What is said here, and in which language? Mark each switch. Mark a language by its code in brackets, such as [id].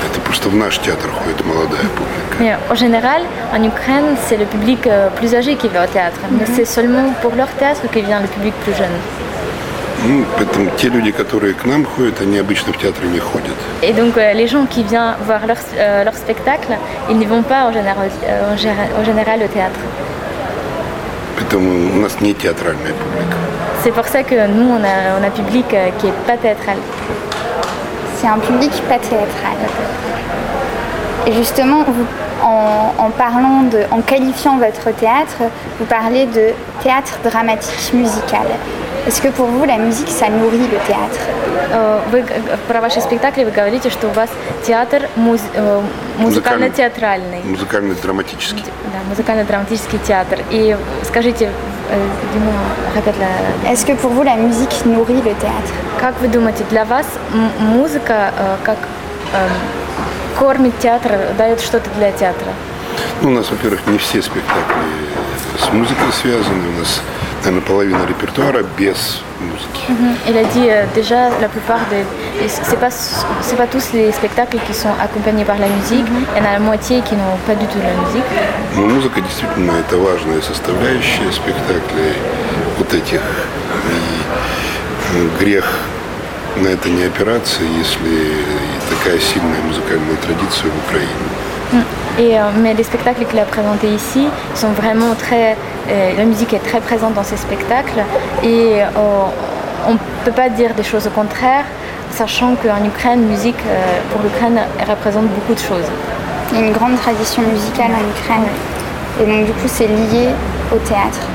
[ru] Это просто в наш театр ходит молодая публика. Нет, [fr] en général, en Ukraine, c'est le public plus âgé qui va au théâtre. Mais c'est seulement pour leur théâtre que vient le public plus jeune. [ru] Ну, поэтому те люди, которые к нам ходят, они обычно в театр не ходят. [fr] Et donc, les gens qui viennent voir leur spectacle, ils ne vont pas en général au théâtre. [ru] Поэтому у нас не театральная публика. [fr] C'est pour ça que nous, on a un public qui n'est pas théâtral. C'est un public pas théâtral. Et justement, vous, en qualifiant votre théâtre, vous parlez de théâtre dramatique musical. Est-ce que pour vous, la musique, ça nourrit le théâtre? Pour vos spectacles, vous dites que vous avez un théâtre musical-théâtral. Musical-dramatique. Oui, musical-dramatique théâtre. Et dites-moi, Est-ce que pour vous la musique nourrit le théâtre? [ru] Как вы думаете, для вас музыка как кормит театр, дает что-то для театра? Ну, у нас, во-первых, не все спектакли с музыкой связаны. У нас, наверное, половина репертуара без музыки. [fr] Il a dit déjà la plupart des c'est pas tous les spectacles qui sont accompagnés par la musique. Il y en a la moitié qui n'ont pas du tout la musique. [ru] Ну, музыка действительно это важная составляющая спектаклей вот этих. И грех на это не опираться, если такая сильная музыкальная традиция в Украине. [fr] Et mais les spectacles qu'il a présentés ici sont vraiment très La musique est très présente dans ces spectacles et on ne peut pas dire des choses au contraire, sachant qu'en Ukraine, musique pour l'Ukraine représente beaucoup de choses. Il y a une grande tradition musicale en Ukraine et donc du coup c'est lié au théâtre.